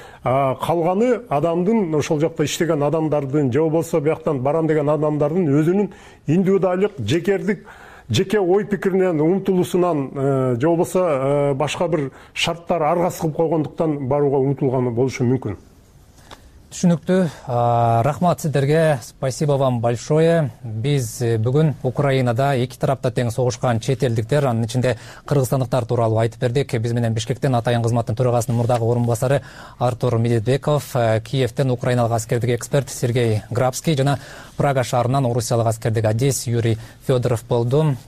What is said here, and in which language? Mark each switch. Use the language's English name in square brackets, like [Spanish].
[Kyrgyz] Калганы адамдын ошол жакта иштеген адамдардын же болбосо бияктан барам деген адамдардын өзүнүн индивидуалдык жекердик жеке ой пикиринен умтулуусунан же болбосо башка бир шарттар аргас кылып койгондуктан барууга умтулганы болушу мүмкүн. Түшүнүктүү. Рахмат сиздерге, [Russian] спасибо вам большое. [Kyrgyz] Биз бүгүн Украинада эки тарапта тең согушкан чет элдиктер, анын ичинде кыргызстандыктар тууралуу айтып бердик. Биз менен Бишкектен атайын кызматтын төрагасынын мурдагы орун басары Артур Медведбеков, Киевтен украиналык аскердик эксперт Сергей Грабский жана Прага шаарынан орусиялык аскердик Адис Юрий Федоров болду.